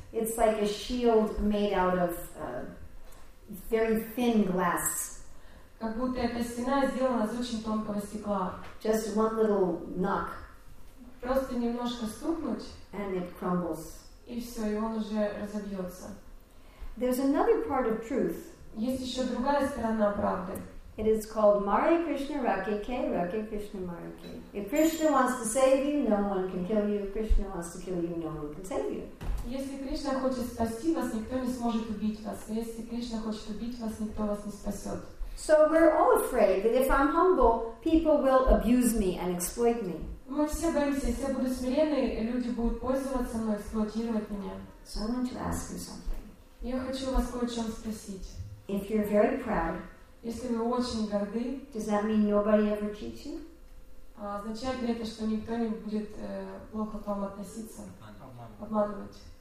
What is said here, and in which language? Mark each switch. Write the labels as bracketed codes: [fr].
[en] It's like a shield made out of very thin glass. [ru] Как будто эта стена сделана из очень тонкого стекла. [en] Just one little knock. [ru] Просто немножко стукнуть. [en] And it crumbles. [ru] И все, и он уже разобьется. [en] There's another part of truth. [ru] Есть еще другая сторона правды. [en] It is called [bn] Mare Krishna Rake Ke, Rake Krishna Mare Ke. [en] If Krishna wants to save you, no one can kill you. If Krishna wants to kill you, no one can save you. [ru] Если Кришна хочет спасти вас, никто не сможет убить вас. Если Кришна хочет убить вас, никто вас не спасет. [en] So we're all afraid that if I'm humble, people will abuse me and exploit me. [ru] Мы все боимся, если я буду смиренной, люди будут пользоваться мной, эксплуатировать меня. [en] So I want to ask you something. [ru] Я хочу вас кое-чем спросить. [en] If you're very proud, [ru] если вы очень горды, [en] does that mean nobody ever cheats you? [ru] Означает ли это, что никто не будет плохо к вам относиться, обманывать?